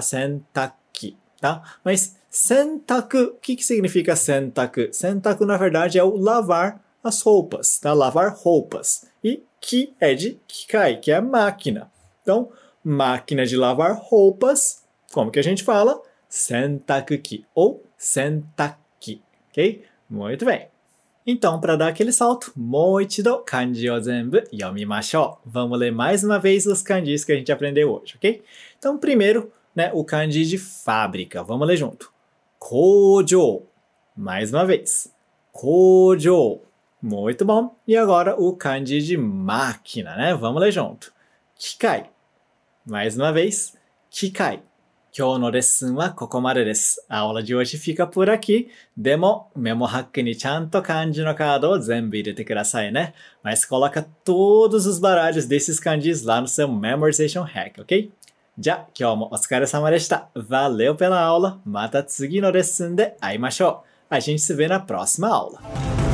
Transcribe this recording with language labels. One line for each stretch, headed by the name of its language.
Portuguese: Sentaki, tá? Mas sentaku, o que que significa sentaku? Sentaku na verdade é o lavar as roupas, tá? Lavar roupas. E ki é de kikai, que é máquina. Então, máquina de lavar roupas, como que a gente fala? Sentakuki ou sentaki, ok? Muito bem. Então, para dar aquele salto,
Japanese: もう一度漢字を全部読みましょう。
Portuguese: Vamos ler mais uma vez os kanjis que a gente aprendeu hoje, ok? Então, primeiro, né, o kanji de fábrica. Vamos ler junto. 工場.Mais uma vez. 工場.Muito bom. E agora o kanji de máquina, né? Vamos ler junto. 機械.Mais uma vez. 機械.
Japanese: 今日のレッスンはここまでです。
Portuguese: A aula de hoje fica por aqui.
Japanese: でも、メモハックにちゃんと漢字のカードを全部入れてくださいね。
Portuguese: Mas coloca todos os baralhos desses kanjis lá no seu Memorization Hack, ok?
Japanese: じゃあ、今日もお疲れ様でした。
Portuguese: Valeu pela aula.
Japanese: また次のレッスンで会いましょう。
Portuguese: A gente se vê na próxima aula.